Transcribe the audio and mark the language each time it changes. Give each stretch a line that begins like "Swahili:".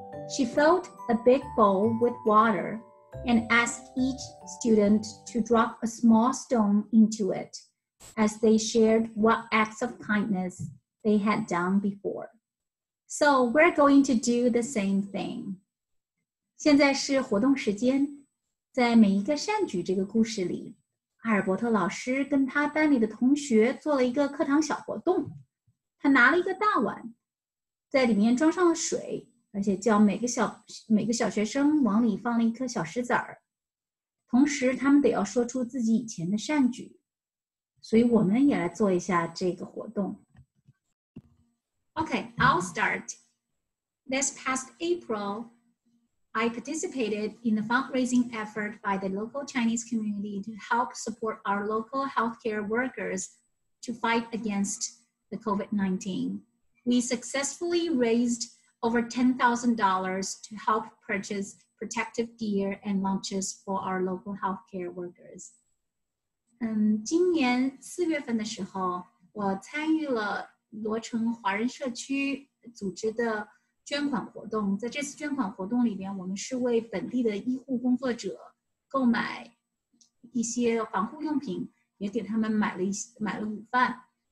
English: She filled a big bowl with water and asked each student to drop a small stone into it as they shared what acts of kindness they had done before. So we're going to do the same thing.
Chinese: 现在是活动时间，在每一个善举这个故事里，阿尔伯特老师跟他班里的同学做了一个课堂小活动。他拿了一个大碗，在里面装上了水，而且叫每个小学生往里放了一颗小石子儿。同时，他们得要说出自己以前的善举。所以我们也来做一下这个活动。
English: Okay, I'll start. This past April, I participated in the fundraising effort by the local Chinese community to help support our local healthcare workers to fight against the COVID-19. We successfully raised over $10,000 to help purchase protective gear and lunches for our local healthcare workers.
Chinese: 今年四月份的时候，我参与了罗城华人社区组织的捐款活动。在这次捐款活动里边，我们是为本地的医护工作者购买一些防护用品，也给他们买了午饭。